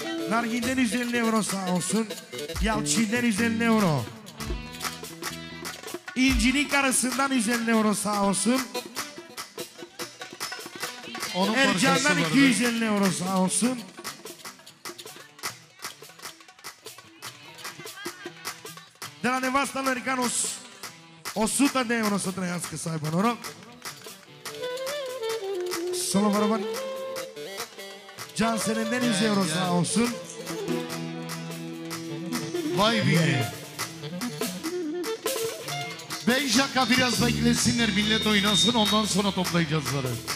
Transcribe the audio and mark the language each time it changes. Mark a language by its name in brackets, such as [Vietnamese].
[Turkish] Nargin'den 150 euro sağ olsun. Yalçin'den 150 euro. İnci'nin karısından 150 euro sağ olsun. Onun Ercan'dan 250 euro sağ olsun. [Romanian] De la nevasta Americanos 100 de euro să trăiască, să aibă noroc. [Turkish] Solo Barban Jansen'den 100 euro sağ olsun. Vay be. Ben şaka biraz beklesinler, millet oynasın, ondan sonra toplayacağız zarı.